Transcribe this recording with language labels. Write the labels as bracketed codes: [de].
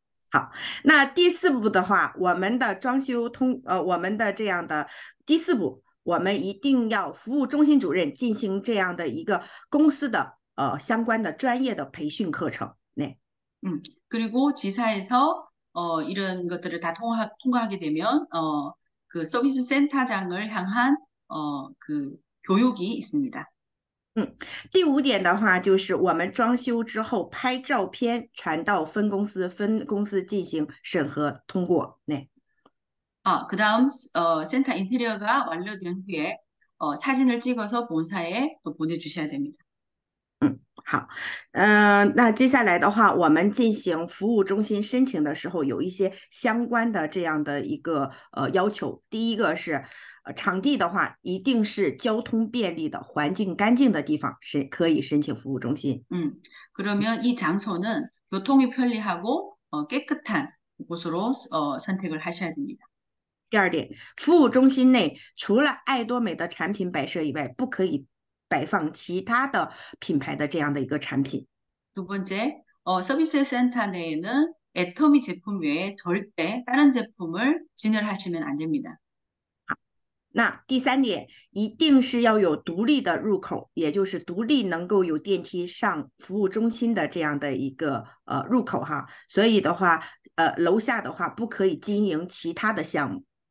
[zh] 好，那第四步的话，我们的装修通，我们的这样的第四步，我们一定要服务中心主任进行这样的一个公司的相关的专业的培训课程，那。 [ko] 그리고 지사에서 이런 것들을 다 통과하게 되면 그 서비스 센터장을 향한 그 교육이 있습니다. [zh] 第五点的话，就是我们装修之后拍照片传到分公司进行审核通过。 [ko] 네。 아, 그 다음 센터 인테리어가 완료된 후에 사진을 찍어서 본사에 또 보내주셔야 됩니다. [zh] 好，那接下来的话，我们进行服务中心申请的时候，有一些相关的这样的一个要求。第一个是，场地的话，一定是交通便利的、环境干净的地方，是可以申请服务中心。 [ko] 그러면 이 장소는 교통이 편리하고 깨끗한 곳으로 선택을 하셔야 됩니다. [zh] 第二点，服务中心内除了爱多美的产品摆设以外，不可以摆放其他的品牌的这样的一个产品。 [ko] 두 번째, 서비스 센터 내에는 애터미 제품 외에 절대 다른 제품을 진열하시면 안 됩니다. [zh] 那第三点，一定是要有独立的入口，也就是独立能够有电梯上服务中心的这样的一个入口哈。所以的话，楼下的话不可以经营其他的项目。